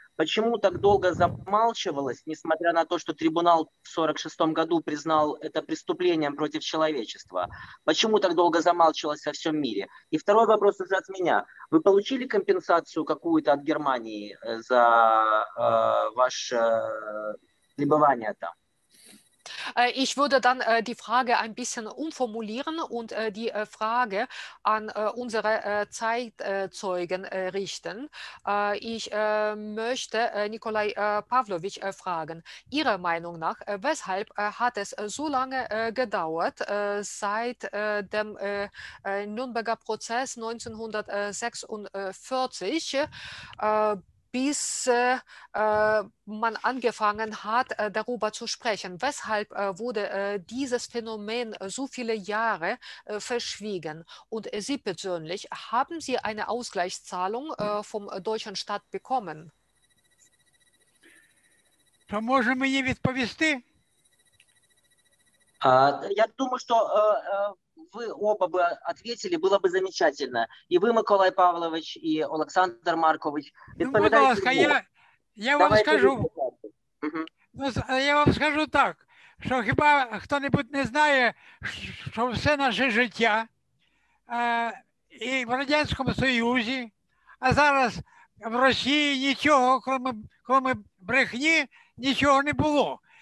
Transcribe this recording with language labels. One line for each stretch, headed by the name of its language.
Russian: Почему так долго замалчивалось, несмотря на то, что трибунал в 46-м году признал это преступлением против человечества? Почему так долго замалчивалось во всем мире? И второй вопрос уже от меня. Вы получили компенсацию какую-то от Германии за ваше пребывание там?
German: Ich würde dann die Frage ein bisschen umformulieren und die Frage an unsere Zeitzeugen richten. Ich möchte Nikolai Pavlovich fragen, Ihrer Meinung nach, weshalb hat es so lange gedauert, seit dem Nürnberger Prozess 1946 bis man angefangen hat, darüber zu sprechen. Weshalb wurde dieses Phänomen so viele Jahre verschwiegen? Und Sie persönlich, haben Sie eine Ausgleichszahlung vom deutschen Staat bekommen?
Ukrainian: Da можем мені відповісти? Я думаю, що
Russian: вы оба бы ответили, было бы замечательно. И вы, Миколай Павлович, и Александр Маркович. Ну, пожалуйста, я вам скажу. Угу. Ну, я вам скажу так, что
Ukrainian: хіба хто-небудь не знає, що все наше життя і в Радянському Союзі, а зараз в Росії нічого, кроме брехні, нічого не було.